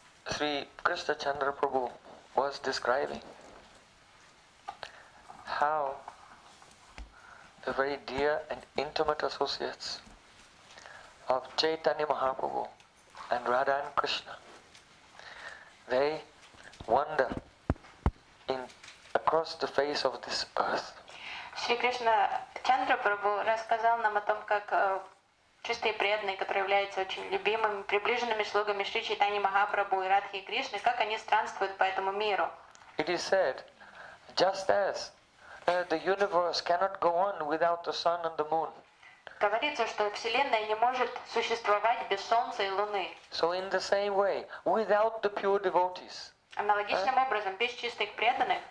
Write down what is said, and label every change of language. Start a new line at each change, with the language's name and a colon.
English: Sri Krishna Chandra Prabhu was describing how the very dear and intimate associates of Chaitanya Mahaprabhu and Radha and Krishna, they wander in across the face of this earth.
Russian: Sri Krishna Chandra Prabhu рассказал нам о том, как чистые преданные, которые являются очень любимыми, приближенными слугами Шри Чайтаньи Махапрабху и Радхи Кришны, как они странствуют по этому миру.
English: It is said, just as the universe cannot go on without the sun and the moon.
Russian: Говорится, что Вселенная не может существовать без Солнца и Луны.
English: So in the same way, without the pure devotees.
Russian: Аналогичным образом, без чистых преданных.